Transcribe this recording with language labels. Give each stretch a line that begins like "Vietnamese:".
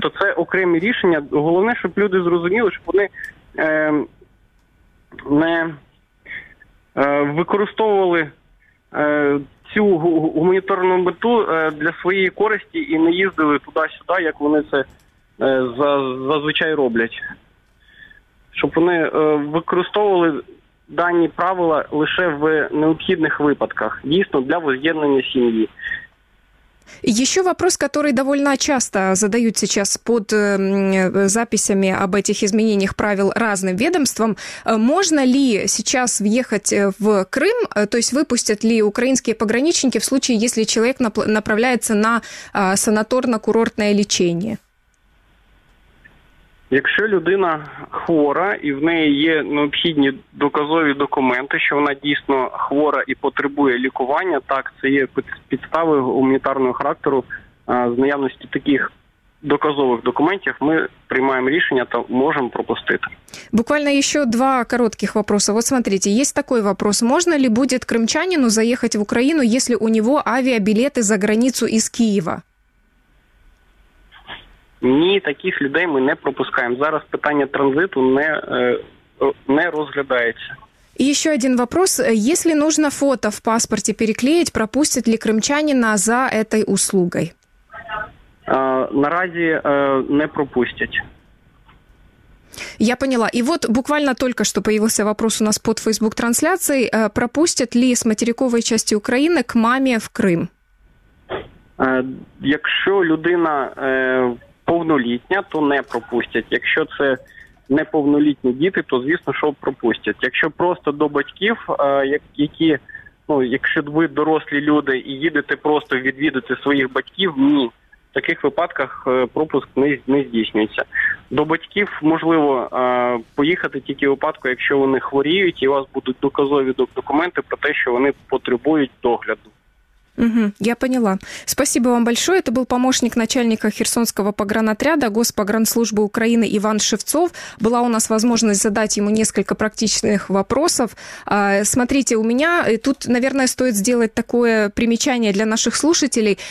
Ukrainian: То це окремі рішення. Головне, щоб люди зрозуміли, щоб вони не використовували цю гуманітарну мету для своєї користі і не їздили туди-сюди, як вони це зазвичай роблять. Щоб вони використовували дані правила лише в необхідних випадках, дійсно, для возз'єднання сім'ї.
Russian: Еще вопрос, который довольно часто задают сейчас под записями об этих изменениях правил разным ведомствам. Можно ли сейчас въехать в Крым, то есть выпустят ли украинские пограничники в случае, если человек направляется на санаторно-курортное лечение?
Ukrainian: Якщо людина хвора і в неї є необхідні доказові документи, що вона дійсно хвора і потребує лікування, так, це є підстави гуманітарного характеру, з наявності таких доказових документів ми приймаємо рішення та можемо пропустити.
Russian: Буквально
Ukrainian: ще два коротких
Russian: вопроса. Вот смотрите,
Ukrainian: є такий
Russian: вопрос.
Ukrainian: Можна ли буде кримчанину заїхати в Україну, якщо у нього авіабілети за границю із Києва? Ні, таких людей ми не пропускаємо. Зараз питання транзиту не розглядається. І ще один вопрос. Якщо потрібно фото в паспорті переклеїти, пропустять ли кримчаніна за цією услугою? Наразі не пропустять.
Russian: Я поняла. И вот буквально только что появился вопрос у нас под Facebook-трансляцией. Пропустят ли с материковой части Украины к маме в Крым?
Ukrainian: Якщо людина повнолітня, то не пропустять. Якщо це неповнолітні діти, то, звісно, що пропустять. Якщо просто до батьків, які, ну, якщо ви дорослі люди і їдете просто відвідати своїх батьків, ні. В таких випадках пропуск не здійснюється. До батьків можливо поїхати тільки в випадку, якщо вони хворіють, і у вас будуть доказові документи про те, що вони потребують догляду.
Russian: Угу, я поняла. Спасибо вам большое. Это был помощник начальника Херсонского погранотряда Госпогранслужбы Украины Иван Шевцов. Была у нас возможность задать ему несколько практичных вопросов. Смотрите, у меня тут, наверное, стоит сделать такое примечание для наших слушателей.